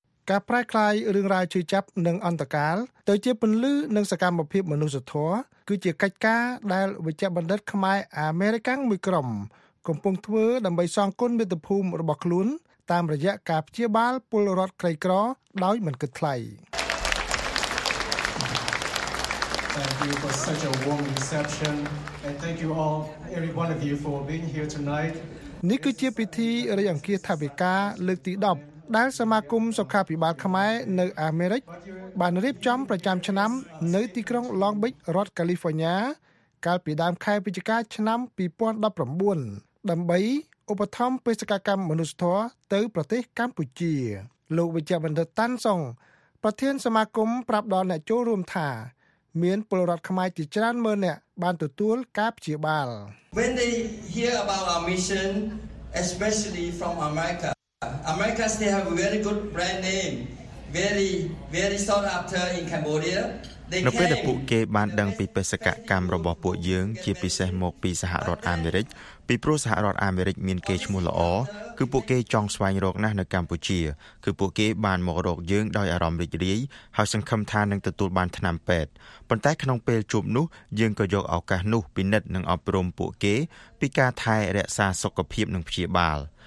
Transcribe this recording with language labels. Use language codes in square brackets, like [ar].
[km] ការប្រែក្លាយរឿងរ៉ាវឈឺចាប់និងអន្តកាលទៅជាពលិឺនិងសកម្មភាពមនុស្សធម៌គឺជាកិច្ចការដែលវិជ្ជបណ្ឌិតខ្មែរអាមេរិកាំងមួយក្រុមកំពុងធ្វើដើម្បីសងគុណមាតុភូមិរបស់ខ្លួនតាមរយៈការព្យាបាលពលរដ្ឋក្រីក្រដោយមិនគិតថ្លៃ [en] Thank you for such a warm reception and thank you all every one of you for being here tonight [km] នេះគឺជាពិធីរៃអង្គាសថាវិការលើកទី10ដែលសមាគមសុខាភិបាលខ្មែរនៅអាមេរិកបានរៀបចំប្រចាំឆ្នាំនៅទីក្រុង Long Beach រដ្ឋ California កាលពីដើមខែវិច្ឆិកាឆ្នាំ2019ដើម្បីឧបត្ថម្ភបេសកកម្មមនុស្សធម៌ទៅប្រទេសកម្ពុជាលោកវិជ្ជបណ្ឌិតតាន់សុងប្រធានសមាគមប្រាប់ដល់អ្នកចូលរួមថាមានពលរដ្ឋខ្មែរជាច្រើនម៉ឺននាក់បានទទួលការព្យាបាល [en] When they hear about our mission especially from America they have a very good brand name very sought after in Cambodia [km] នៅពេលដែលពួកគេបានដឹងពីបេសកកម្មរបស់ពួកយើងជាពិសេសមកពីសហរដ្ឋអាមេរិកពីព្រោះសហរដ្ឋអាមេរិកមានកេរ្តិ៍ឈ្មោះល្អគឺពួកគេចង់ស្វែងរកណាស់នៅកម្ពុជាគឺពួកគេបានមករកយើងដោយអារម្មណ៍រីករាយហើយសង្ឃឹមថានឹងទទួលបានថ្នាំពេទ្យប៉ុន្តែក្នុងពេលជួបនោះយើងក៏យកឱកាសនោះពិនិត្យនិងអប់រំពួកគេពីការថែរក្សាសុខភាពនិងព្យាបាល